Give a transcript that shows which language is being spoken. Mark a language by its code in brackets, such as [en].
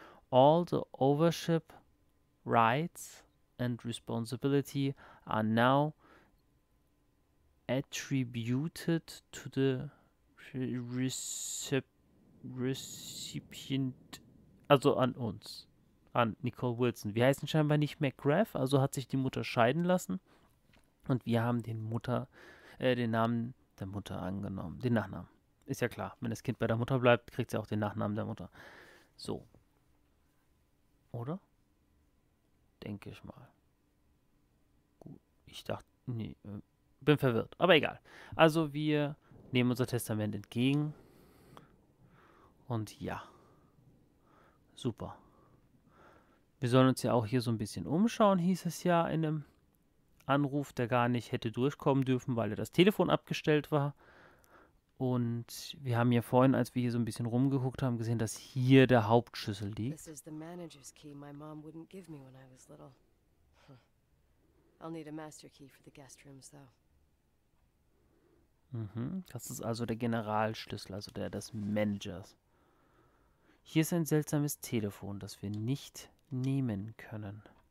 [en] All the ownership rights and responsibility are now attributed to the recipient, [de] also an uns. An Nicole Wilson. Wir heißen scheinbar nicht McGrath, also hat sich die Mutter scheiden lassen und wir haben den Namen der Mutter angenommen. Den Nachnamen. Ist ja klar. Wenn das Kind bei der Mutter bleibt, kriegt sie auch den Nachnamen der Mutter. So. Oder? Denke ich mal. Gut. Ich dachte, nee. Bin verwirrt. Aber egal. Also wir nehmen unser Testament entgegen und ja. Super. Wir sollen uns ja auch hier so ein bisschen umschauen, hieß es ja in einem Anruf, der gar nicht hätte durchkommen dürfen, weil er das Telefon abgestellt war. Und wir haben ja vorhin, als wir hier so ein bisschen rumgeguckt haben, gesehen, dass hier der Hauptschlüssel liegt. [en] This is the manager's key my mom wouldn't give me when I was little. I'll need a master key for the guest rooms though. [de] Das ist also der Generalschlüssel, also der des Managers. Hier ist ein seltsames Telefon, das wir nicht nehmen können.